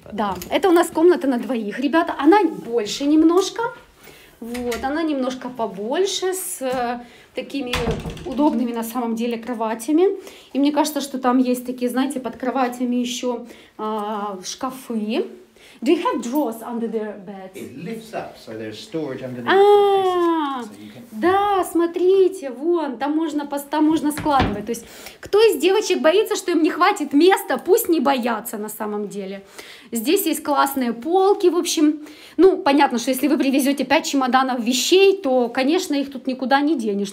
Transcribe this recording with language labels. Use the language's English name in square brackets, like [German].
[Russian] Да, это у нас комната на двоих, ребята. Она больше немножко. Вот, она немножко побольше, с такими удобными на самом деле кроватями. И мне кажется, что там есть такие, знаете, под кроватями еще шкафы. [English] Do you have drawers under the bed? It lifts up, so there's storage underneath. А-а-а, [Russian] Да, смотрите, вон, там можно складывать. То есть, кто из девочек боится, что им не хватит места, пусть не боятся на самом деле. Здесь есть классные полки, в общем. Ну, понятно, что если вы привезете 5 чемоданов вещей, то, конечно, их тут никуда не денешь.